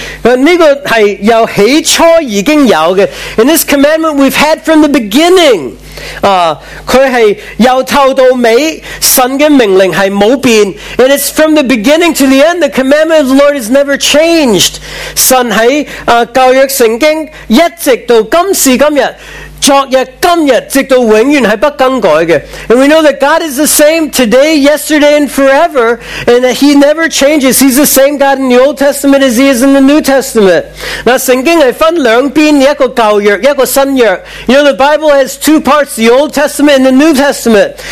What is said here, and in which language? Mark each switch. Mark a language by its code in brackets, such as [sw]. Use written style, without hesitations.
[yue] 呢个系由起初已经有嘅。 [en] And this commandment we've had from the beginning. [yue] 佢系由头到尾，神嘅命令系冇变。 [en] And it's from the beginning to the end, the commandment of the Lord has never changed. [yue] 神喺旧约圣经一直到今时今日，昨日今日直到永远系不更改嘅。 [en] And we know that God is the same today, yesterday, and forever, and that He never changes. He's the same God in the Old Testament as He is in the New Testament. [yue] 那圣经系分两边，一个旧约，一个新约。 [en] You know, the Bible has two parts, the Old Testament and the New Testament.